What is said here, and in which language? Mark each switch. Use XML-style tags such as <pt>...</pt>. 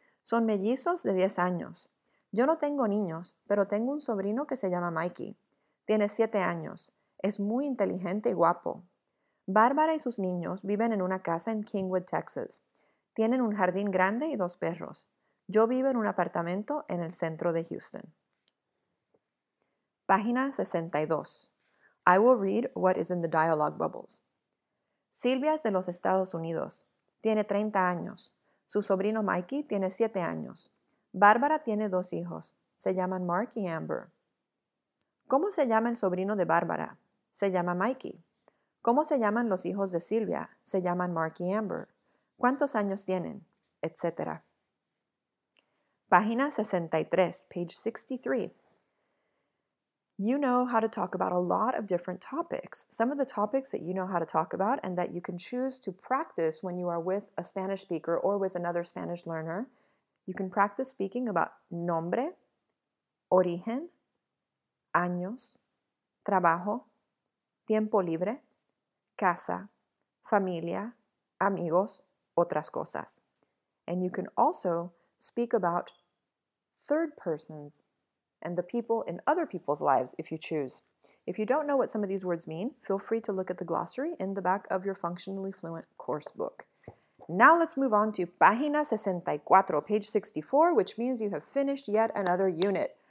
<es>Son mellizos de 10 años. Yo no tengo niños, pero tengo un sobrino que se llama Mikey. Tiene 7 años. Es muy inteligente y guapo. Bárbara y sus niños viven en una casa en Kingwood, Texas. Tienen un jardín grande y dos perros. Yo vivo en un apartamento en el centro de Houston. Página 62.</es> <en>I will read what is in the dialogue bubbles.</en> <es>Silvia es de los Estados Unidos. Tiene 30 años. Su sobrino Mikey tiene 7 años. Bárbara tiene dos hijos. Se llaman Mark y Amber. ¿Cómo se llama el sobrino de Bárbara? Se llama Mikey. ¿Cómo se llaman los hijos de Silvia? Se llaman Mark y Amber. ¿Cuántos años tienen? Etcétera. Página 63,</es> <en>page 63. You know how to talk about a lot of different topics. Some of the topics that you know how to talk about and that you can choose to practice when you are with a Spanish speaker or with another Spanish learner. You can practice speaking about nombre, origen, años, trabajo, tiempo libre, casa, familia, amigos, otras cosas. And you can also speak about third persons and the people in other people's lives if you choose. If you don't know what some of these words mean, feel free to look at the glossary in the back of your Functionally Fluent course book. Now let's move on to página 64, page 64, which means you have finished yet another unit.</en>